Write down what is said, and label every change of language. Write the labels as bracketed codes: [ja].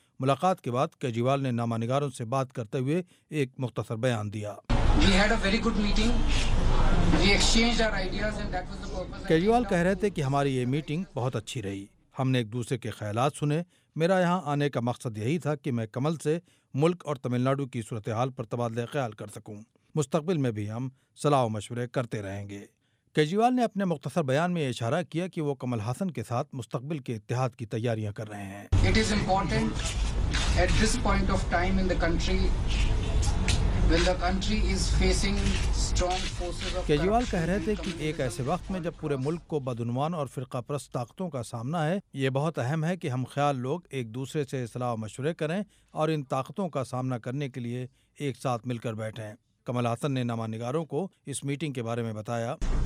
[ur] ملاقات کے بعد کیجریوال نے نامہ نگاروں سے بات کرتے ہوئے ایک مختصر بیان دیا۔ کیجریوال کہہ رہے تھے کہ ہماری یہ میٹنگ بہت اچھی رہی، ہم نے ایک دوسرے کے خیالات سنے۔ میرا یہاں آنے کا مقصد یہی تھا کہ میں کمل سے ملک اور تمل ناڈو کی صورتحال پر تبادلہ خیال کر سکوں، مستقبل میں بھی ہم صلاح و مشورے کرتے رہیں گے۔ کیجریوال نے اپنے مختصر بیان میں یہ اشارہ کیا کہ وہ کمل حسن کے ساتھ مستقبل کے اتحاد کی تیاریاں کر رہے ہیں۔ [en] It is important at this point of time in the country, when the country is facing strong forces of... [ur] Kejriwal کہہ رہے تھے کہ ایک ایسے وقت میں جب پورے ملک کو بدعنوان اور فرقہ پرست طاقتوں کا سامنا ہے، یہ بہت اہم ہے کہ ہم خیال لوگ ایک دوسرے سے صلاح و مشورے کریں اور ان طاقتوں کا سامنا کرنے کے لیے ایک ساتھ مل کر بیٹھیں۔ کمل حسن نے نامہ نگاروں کو اس میٹنگ کے بارے میں بتایا۔